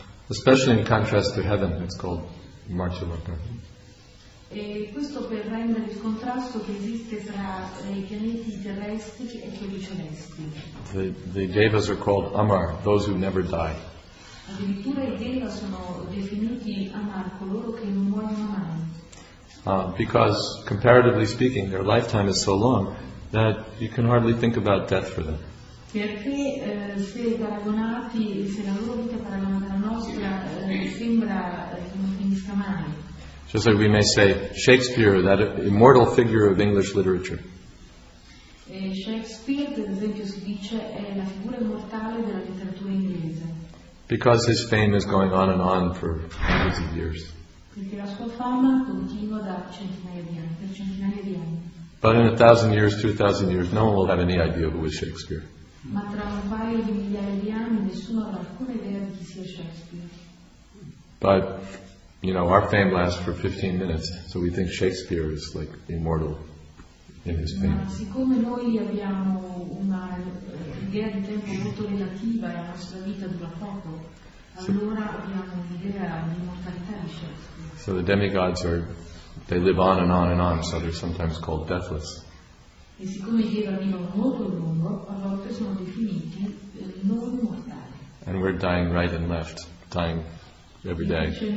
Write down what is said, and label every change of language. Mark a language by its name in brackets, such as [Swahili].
[English] Especially in contrast to heaven, it's called Marchyaloka. [Italian] E questo per rendere il contrasto che esiste tra i pianeti terrestri e quelli celesti. [English] The devas are called Amar, those who never die. [Italian] Addirittura i deva sono definiti Amar, coloro che non muoiono mai. [English] Because comparatively speaking, their lifetime is so long that you can hardly think about death for them. [Italian] Perché se paragonati, se la loro vita paragonata alla nostra, sembra che non finisca mai. [English] Just like we may say, Shakespeare, that immortal figure of English literature. [Italian] Shakespeare, per esempio, si dice è la figura immortale della letteratura inglese. [English] Because his fame is going on and on for hundreds of years. [Italian] Perché la sua fama continua da centinaia di anni, per centinaia di anni. [English] But in 1,000 years, 2,000 years, no one will have any idea who is Shakespeare. [Italian] Ma tra un paio di migliaia di anni nessuno avrà alcuna idea di chi sia Shakespeare. [English] But you know, our fame lasts for 15 minutes, so we think Shakespeare is like immortal in his fame. [Italian] Ma siccome noi abbiamo una idea di tempo molto relativa e la nostra vita dura poco, allora abbiamo un'idea di immortalità di Shakespeare. [English] So the demigods are, they live on and on and on, so they're sometimes called deathless. [Italian] E siccome i deva vivono molto lungo, a volte sono definiti non immortali. [English] And we're dying right and left, dying every day.